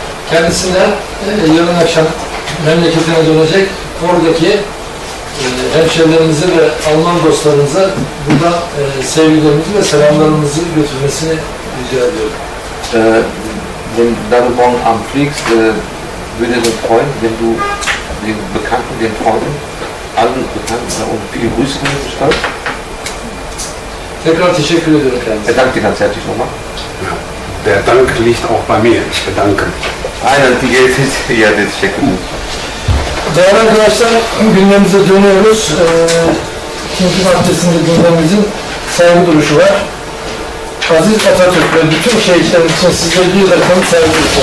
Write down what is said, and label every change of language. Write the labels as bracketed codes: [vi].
[tr] Kendisine yarın akşam memleketine dönecek. Oradaki hemşehrilerimizi ve Alman dostlarımıza burada sevgilerimizi ve selamlarımızı götürmesini rica ediyorum. [de] Wenn du dann morgen Abend fliegst, würde ich mich freuen, wenn du den Bekannten, den Freunden, allen Bekannten und viele Grüße von mir bestellst. [tr] Tekrar teşekkür ederim kendisi. [de] Ich danke dir ganz herzlich nochmal. Ja, der Dank liegt auch bei mir. Ich bedanke mich. [tr] Aynen, [de] die Geld ist ja der [tr] teşekkür ederim. Değerli arkadaşlar, gündemimize dönüyoruz. Çünkü maddesinde gündemimizin saygı duruşu var. Aziz Atatürk ve bütün şehitlerin için size bir rakam saygı